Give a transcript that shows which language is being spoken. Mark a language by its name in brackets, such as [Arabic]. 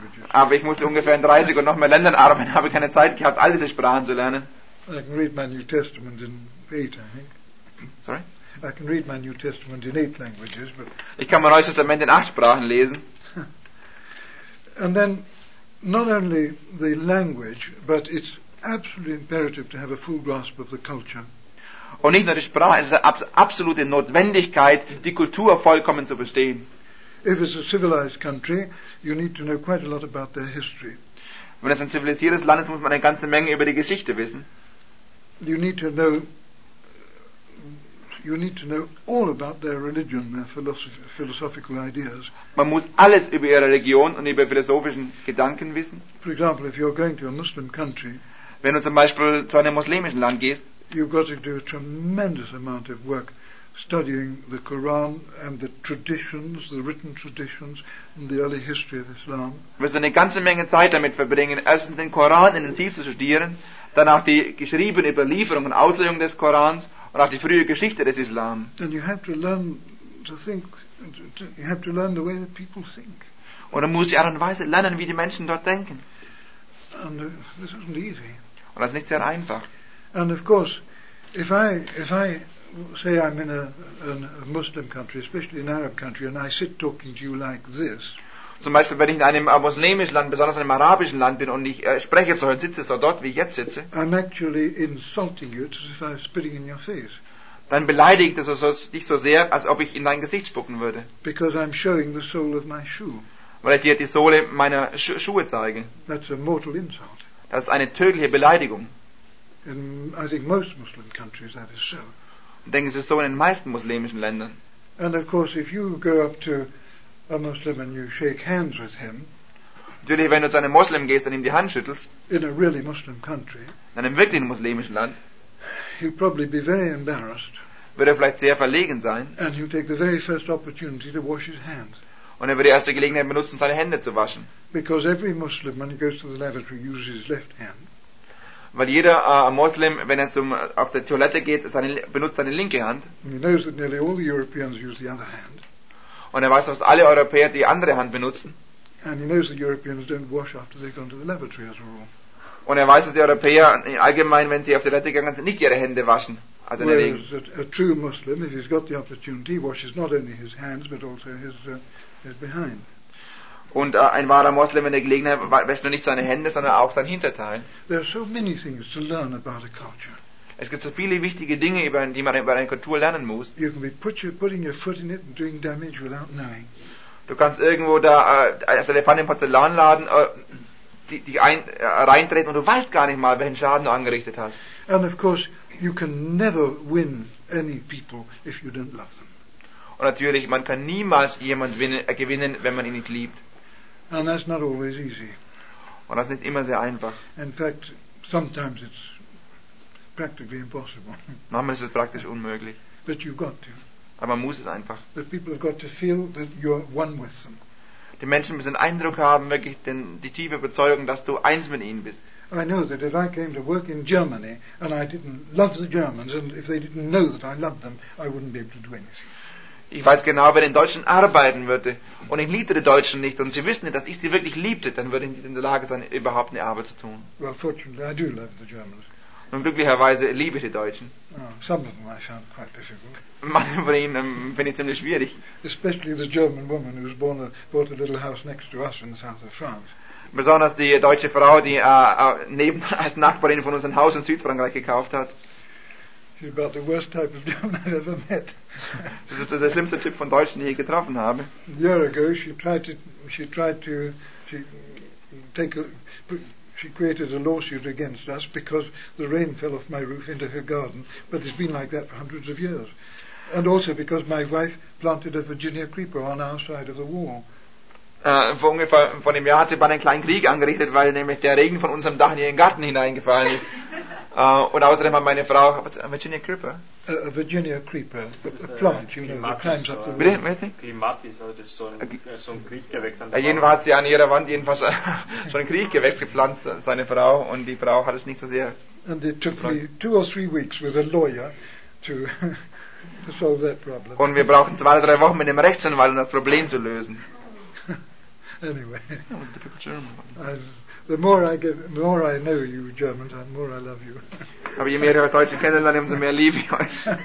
[German] Aber ich musste ungefähr in 30 und noch mehr Ländern arbeiten, habe keine Zeit gehabt, all diese Sprachen zu lernen. [English] I can read my New Testament in 8, I think. Sorry? I can read my New Testament in 8 languages. But [German] ich kann mein Neues Testament in 8 Sprachen lesen. [English] And then, not only the language, but it's absolutely imperative to have a full grasp of the culture. [German] Und nicht nur die Sprache, es ist eine absolute Notwendigkeit, die Kultur vollkommen zu verstehen. [English] If it's a civilized country, you need to know quite a lot about their history. [German] Wenn es ein zivilisiertes Land ist, muss man eine ganze Menge über die Geschichte wissen. [English] You need to know all about their religion, their philosophical ideas. [German] Man muss alles über ihre Religion und über philosophischen Gedanken wissen. [English] For example, if you're going to a Muslim country, [German] wenn du zum Beispiel zu einem muslimischen Land gehst, [English] you've got to do a tremendous amount of work studying the Quran and the traditions, the written traditions and the early history of Islam. [German] Wirst du eine ganze Menge Zeit damit verbringen, erstens den Koran intensiv zu studieren, danach die geschriebene Überlieferung und Auslegung des Korans und auch die frühe Geschichte des Islam. [English] And you have to learn to think, you have to learn the way that people think. [German] Und dann musst du die Art und Weise lernen, wie die Menschen dort denken. [English] And this isn't easy. [German] Und das ist nicht sehr einfach. [English] And of course, if I say I'm in a Muslim country, especially an Arab country, and I sit talking to you like this. [German] Zum Beispiel, wenn ich in einem muslimischen Land, besonders in einem arabischen Land bin, und ich spreche so und sitze so dort, wie ich jetzt sitze. [English] I'm actually insulting you, as if I'm spitting in your face. [German] Dann beleidigt es dich so sehr, als ob ich in dein Gesicht spucken würde. [English] Because I'm showing the sole of my shoe. [German] Weil ich dir die Sohle meiner Schuhe zeige. [English] That's a mortal insult. [German] Das ist eine tödliche Beleidigung. [English] In, I think most Muslim countries that is so. [German] Ich denke, es ist so in den meisten muslimischen Ländern. [English] And of course, if you go up to a Muslim and you shake hands with him. [German] Natürlich, wenn du zu einem Muslim gehst und ihm die Hand schüttelst. [English] In a really Muslim country. [German] In einem wirklich muslimischen Land. [English] He'll probably be very embarrassed. [German] Wird er vielleicht sehr verlegen sein. [English] And he'll take the very first opportunity to wash his hands. [German] Und er wird die erste Gelegenheit benutzen, seine Hände zu waschen. [English] Because every Muslim, when he goes to the lavatory, uses his left hand. [German] Weil jeder Muslim, wenn er auf die Toilette geht, benutzt seine linke Hand. [English] He knows that nearly all the Europeans use the other hand. [German] Und er weiß, dass alle Europäer die andere Hand benutzen. [English] And he knows the Europeans don't wash after they go to the lavatory as a rule. [German] Und er weiß, dass die Europäer allgemein, wenn sie auf die Toilette gegangen sind, nicht ihre Hände waschen. Also in der Regel. [English] Whereas a true Muslim, if he's got the opportunity, washes not only his hands, but also his behind. [German] Und ein wahrer Moslem in der Gelegenheit wäscht nur nicht seine Hände, sondern auch sein Hinterteil. [English] There are so many things to learn about a culture. [German] Es gibt so viele wichtige Dinge, die man über eine Kultur lernen muss. [English] You can be putting your foot in it and doing damage without knowing. [German] Du kannst irgendwo da als Elefant im Porzellanladen reintreten und du weißt gar nicht mal, welchen Schaden du angerichtet hast. [English] And of course, you can never win any people if you don't love them. [German] Und natürlich, man kann niemals jemand gewinnen, wenn man ihn nicht liebt. [English] And that's not always easy. [German] Und das ist nicht immer sehr einfach. [English] In fact, sometimes it's practically impossible. [German] Manchmal ist es praktisch unmöglich. [English] But you've got to. [German] Aber man muss es einfach. [English] The people have got to feel that you're one with them. [German] Die Menschen müssen den Eindruck haben, wirklich die tiefe Überzeugung, dass du eins mit ihnen bist. [English] I know that if I came to work in Germany and I didn't love the Germans and if they didn't know that I loved them, I wouldn't be able to do anything. [German] Ich weiß genau, wenn ich in Deutschland arbeiten würde und ich liebte die Deutschen nicht und sie wissen nicht, dass ich sie wirklich liebte, dann würde ich nicht in der Lage sein, überhaupt eine Arbeit zu tun. [English] Well, fortunately, I do love the Germans. [German] Und glücklicherweise liebe ich die Deutschen. [English] Oh, some of them I found quite difficult. [German] Manche von ihnen finde ich ziemlich schwierig. [English] Especially the German woman who was born bought a little house next to us in the south of France. [German] Besonders die deutsche Frau, die neben als Nachbarin von uns ein Haus in Südfrankreich gekauft hat. [English] She's about the worst type of German I've ever met. [German] Das ist der schlimmste Typ von Deutschen, den ich getroffen habe. [English] A year ago, she created a lawsuit against us because the rain fell off my roof into her garden. But it's been like that for hundreds of years, and also because my wife planted a Virginia creeper on our side of the wall. [German] Vor einem Jahr hat sie bei einem kleinen Krieg angerichtet, weil nämlich der Regen von unserem Dach in ihren Garten hineingefallen ist. Und außerdem hat meine Frau Virginia Creeper. [English] A Virginia Creeper, a plant, you know, that climbs up the wall. [German] Bitte, was ist das? Klimatis, das ist so ein Krieggewächs. Jedenfalls hat sie an ihrer Wand jedenfalls so ein Krieggewächs gepflanzt, seine Frau, und die Frau hat es nicht so sehr. [English] And it took me 2 or 3 weeks with a lawyer to solve that problem. [German] Und wir brauchen 2 oder 3 Wochen mit einem Rechtsanwalt, um das Problem zu lösen. [English] Anyway, that was a typical German one. The more I know you Germans, the more I love you. [German] Aber je mehr ich Deutsche kennenlerne, umso mehr liebe ich euch.